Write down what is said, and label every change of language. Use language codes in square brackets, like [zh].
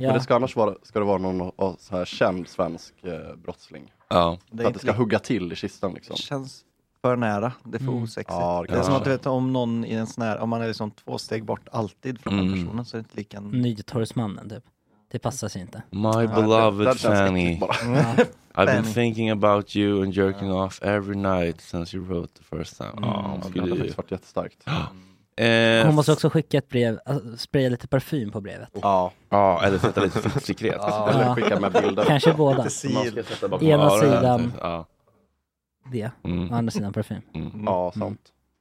[sv] Men det ska annars vara, ska det vara någon så här känd svensk brottsling. Ja. Det att det ska hugga till i kistan liksom. Det känns för nära, det är för osexigt. Ja, det är som att du vet om någon i en sån här, om man är liksom två steg bort alltid från den personen, så är det inte lika en... Nydetorgsmannen typ. Det passar sig inte. [en] My beloved Fanny. I've been thinking about you and jerking off every night since you wrote the first time. [sv] Det har faktiskt varit jättestarkt. Hon måste också skicka ett brev, spraya lite parfym på brevet. Ja, eller sätta lite fuktsekret. Eller skicka med bilder. Kanske båda. Ena sidan. Det, å andra sidan parfym. Ja, sant.